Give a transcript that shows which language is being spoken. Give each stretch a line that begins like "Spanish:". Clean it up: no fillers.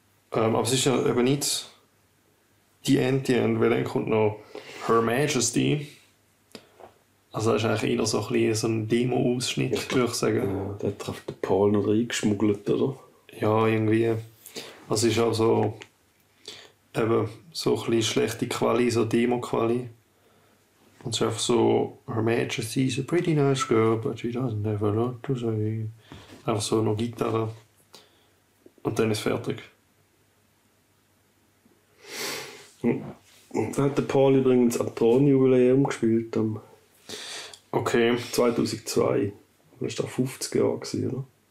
German: Aber es ist ja eben nicht. Die End, weil dann kommt noch Her Majesty. Also das ist eigentlich eher so ein bisschen so ein Demo-Ausschnitt, ja, würde ich sagen. Ja, der hat auf den Paul noch reingeschmuggelt, oder? Ja, irgendwie. Also es ist auch so, eben, so ein bisschen schlechte Quali, so Demo-Quali. Und es ist einfach so,
English: Her Majesty is a pretty nice girl, but she doesn't have a lot to say.
German: Einfach so noch Gitarre. Und dann ist fertig. Und dann hat der Paul übrigens am Thronjubiläum gespielt. Okay. 2002. Das war da 50 Jahre gewesen, oder?